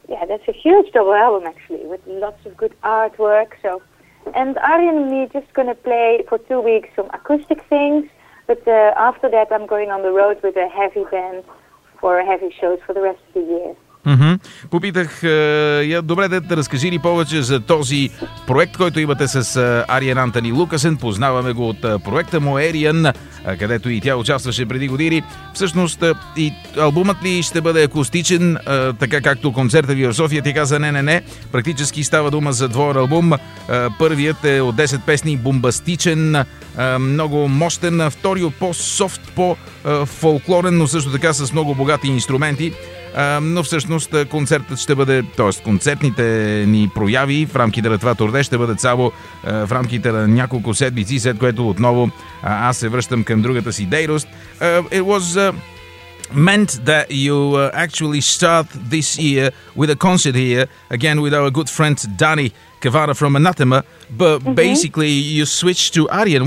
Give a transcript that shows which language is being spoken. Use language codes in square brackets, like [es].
[en] That's a huge double album, actually, with lots of good artwork, so... And Arjen and me just going to play for 2 weeks some acoustic things. But after that, I'm going on the road with a heavy band for heavy shows for the rest of the year. Mm-hmm. [bg] Попитах, добре, да разкажи ли повече за този проект, който имате с Арьен Антони Лукасен. Познаваме го от проекта му Arjen, където и тя участваше преди години. Всъщност, и албумът ли ще бъде акустичен, така както концерта ви в София? Ти каза, не. Практически става дума за двоен албум. Първият е от 10 песни, бомбастичен, много мощен, втори от по-софт, по-фолклорен, но също така с много богати инструменти. Но всъщност концертът ще бъде, т.е. концертните ни прояви в рамките на това турне ще бъдат само в рамките на няколко седмици, след което отново аз се връщам към другата си дейност. [en] It was meant that you actually start this year with a concert here, again with our good friend Danny Cavada from Anathema, but basically you switched to Arjen.